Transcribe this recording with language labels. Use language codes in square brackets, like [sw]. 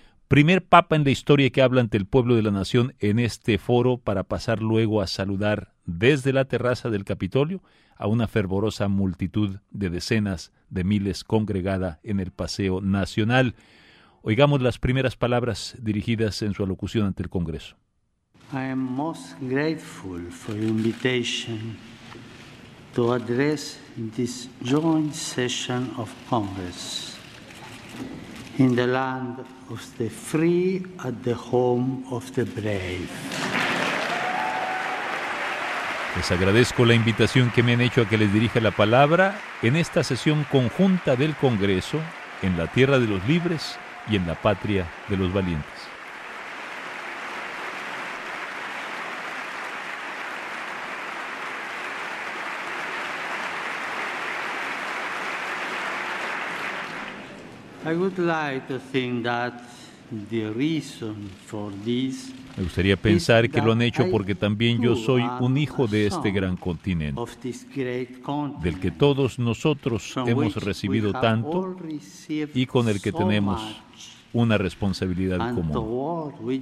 [es] Primer Papa en la historia que habla ante el pueblo de la nación en este foro para pasar luego a saludar desde la terraza del Capitolio a una fervorosa multitud de decenas de miles congregada en el Paseo Nacional. Oigamos las primeras palabras dirigidas en su alocución ante el Congreso. [en] I am most grateful for your invitation to address this joint session of Congress in the land of the free at the home of the brave. [es] Les agradezco la invitación que me han hecho a que les dirija la palabra en esta sesión conjunta del Congreso en la tierra de los libres y en la patria de los valientes. [en] I would like to think that the reason for this. [es] Me gustaría pensar que lo han hecho porque también yo soy un hijo de este gran continente, del que todos nosotros hemos recibido tanto y con el que tenemos una responsabilidad común.